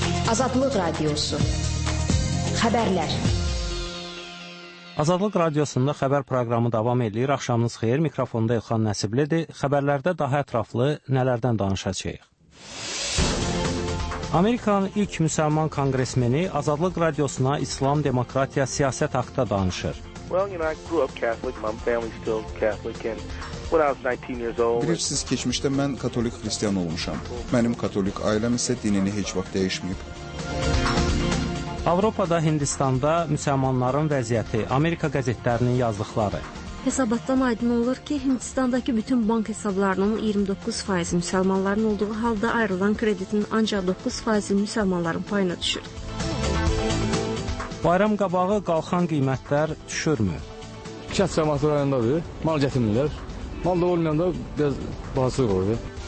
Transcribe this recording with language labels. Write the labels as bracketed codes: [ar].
[az] Azadlık Radyosu Haberler. Azadlıq Radiosunda xəbər proqramı davam edir. Axşamınız xeyir, mikrofonda İlxan Nəsiblidir. Xəbərlərdə daha ətraflı nələrdən danışacağıq? Amerikanın ilk müsəlman kongresmeni Azadlıq Radiosuna İslam, demokratiya, siyasət haqqında danışır. [en] Well, you know, I grew up Catholic. My family's still Catholic. And when I was 19 years old, [az] bilirsiniz, keçmişdə mən katolik xristiyan olmuşam. Mənim katolik ailəm isə dinini heç vaxt dəyişməyib. Avropada, Hindistanda müsəlmanların vəziyyəti, Amerika qəzetlərinin yazdıqları. Hesabatdan aydın olur ki, Hindistandakı bütün bank hesablarının 29% müsəlmanların olduğu halda ayrılan kreditin ancaq 9% müsəlmanların payına düşür. Bayram qabağı qalxan qiymətlər düşürmü? Kənd səmatı rayonundadır, mal gətirmirlər. Mal da olmayanda biraz bahası qoyur.